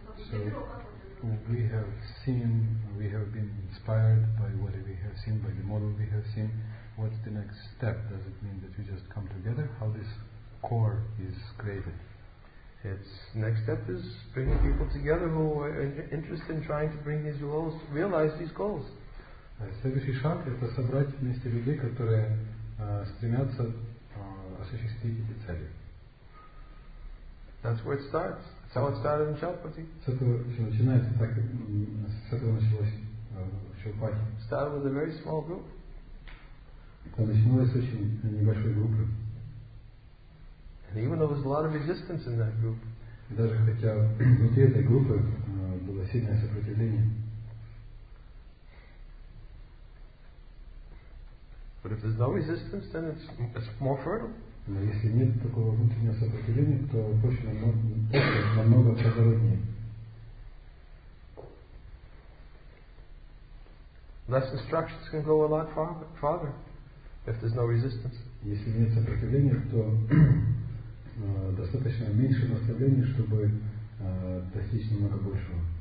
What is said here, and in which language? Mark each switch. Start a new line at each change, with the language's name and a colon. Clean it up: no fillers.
English: So we have seen, we have been inspired by what we have seen, by the model we have seen. What's the next step? Does it mean that we just come together? How this core is created? Its next step is bringing people together who are interested in trying to bring these goals, realize these goals.
Russian: Следующий шаг – это собрать вместе людей, которые стремятся осуществить эти цели.
English: That's where it starts. That's how it started in Chaupati.
Russian: С этого все начинается, так с этого началось в Чаупати.
English: Started with a very small group.
Russian: Это начиналось с очень небольшой группы.
English: And even though there was a lot of resistance in that group.
Russian: Даже хотя внутри этой группы было сильное сопротивление.
English: But if there's no resistance, then it's more fertile.
Russian: Но если нет такого внутреннего сопротивления, то почва намного плодороднее.
English: Less instructions can go a lot farther if there's no resistance.
Russian: Если нет сопротивления, то достаточно меньше наставлений, чтобы достичь намного большего.